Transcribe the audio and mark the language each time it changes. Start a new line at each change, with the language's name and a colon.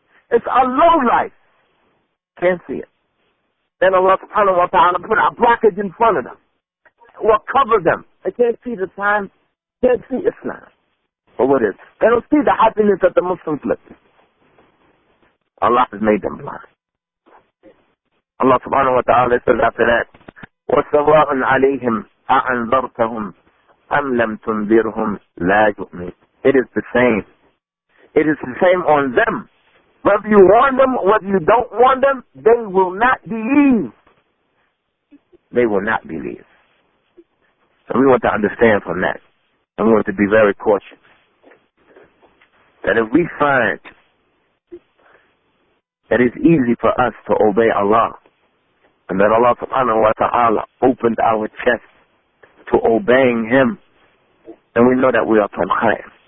English: It's a low life. Can't see it. Then Allah subhanahu wa ta'ala put a blockage in front of them. Will cover them. They can't see the signs. Can't see Islam. Or what is? They don't see the happiness that the Muslims live. Allah has made them blind. Allah subhanahu wa ta'ala says after that,
Arabic: وَسَوَاءٌ عَلَيْهِمْ أَعَنْذَرْتَهُمْ أَمْ لَمْ تُنْذِرْهُمْ لَا يُؤْمِنُونَ.
English: It is the same. It is the same on them. Whether you warn them, whether you don't warn them, they will not believe. They will not believe. So we want to understand from that. And we want to be very cautious. That if we find that it's easy for us to obey Allah, and that Allah subhanahu wa ta'ala opened our chest to obeying Him, then we know that we are from khair.